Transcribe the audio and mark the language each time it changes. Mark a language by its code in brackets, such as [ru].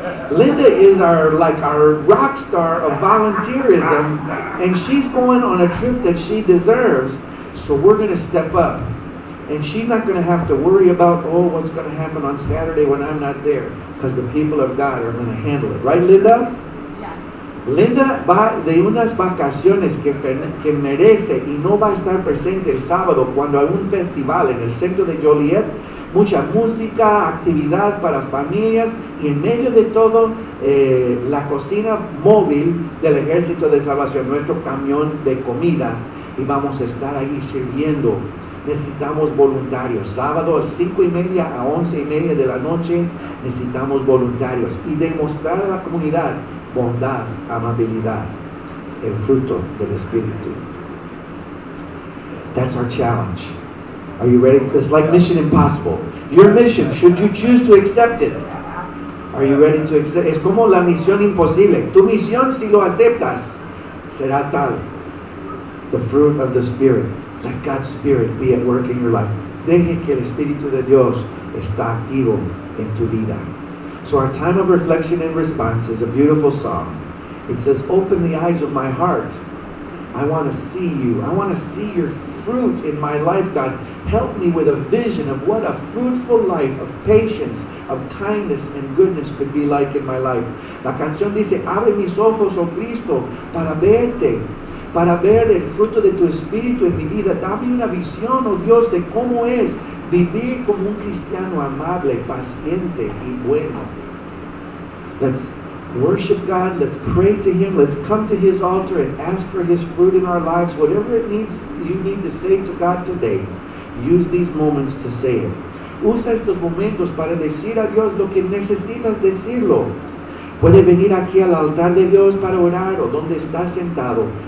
[en] Linda is our rock star of volunteerism, and she's going on a trip that she deserves, so we're going to step up. And she's not going to have to worry about, oh, what's going to happen on Saturday when I'm not there. Because the people of God are going to handle it. Right, Linda? Yeah. [es] Linda va de unas vacaciones que merece y no va a estar presente el sábado cuando hay un festival en el centro de Joliet. Mucha música, actividad para familias. Y en medio de todo, la cocina móvil del Ejército de Salvación, nuestro camión de comida. Y vamos a estar ahí sirviendo. Necesitamos voluntarios. Sábado a 5:30 a 11:30 de la noche, necesitamos voluntarios. Y demostrar a la comunidad bondad, amabilidad, el fruto del Espíritu. [en] That's our challenge. Are you ready? It's like Mission Impossible. Your mission, should you choose to accept it? Are you ready to accept it? [es] Es como la misión imposible. Tu misión, si lo aceptas, será tal. [en] The fruit of the Spirit. Let God's Spirit be at work in your life. [es] deje que el Espíritu de Dios está activo en tu vida. [en] So our time of reflection and response is a beautiful song. It says, open the eyes of my heart. I want to see you. I want to see your fruit in my life, God. Help me with a vision of what a fruitful life of patience, of kindness and goodness could be like in my life. [es] La canción dice, abre mis ojos, oh Cristo, para verte. Para ver el fruto de tu espíritu en mi vida. Dame una visión, oh Dios, de cómo es vivir como un cristiano amable, paciente y bueno. [en] Let's worship God. Let's pray to Him. Let's come to His altar and ask for His fruit in our lives. Whatever it needs, you need to say to God today, use these moments to say it. [es] Usa estos momentos para decir a Dios lo que necesitas decirlo. Puede venir aquí al altar de Dios para orar o donde está sentado.